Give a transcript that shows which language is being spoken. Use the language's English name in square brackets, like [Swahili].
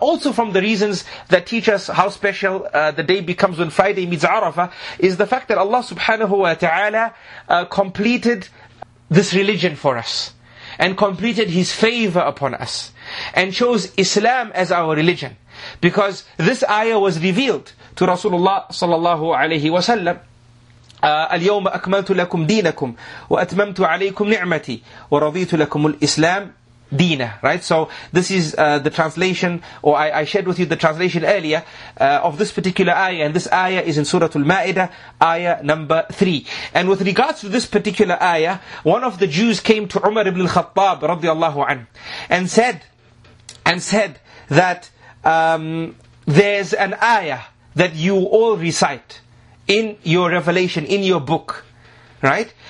[English] Also, from the reasons that teach us how special the day becomes when Friday meets Arafah is the fact that Allah subhanahu wa ta'ala completed this religion for us and completed His favor upon us and chose Islam as our religion, because this ayah was revealed to Rasulullah sallallahu alayhi wa sallam. [Arabic] اليوم أكملت لكم دينكم وأتممت عليكم نعمتي ورضيت لكم الإسلام دينا. [English] Right, so this is the translation, or I shared with you the translation earlier of this particular ayah, and this ayah is in Surah Al-Ma'idah, ayah number 3. And with regards to this particular ayah, one of the Jews came to Umar ibn al-Khattab radiallahu anhu and said that there's an ayah that you all recite in your revelation, in your book, right?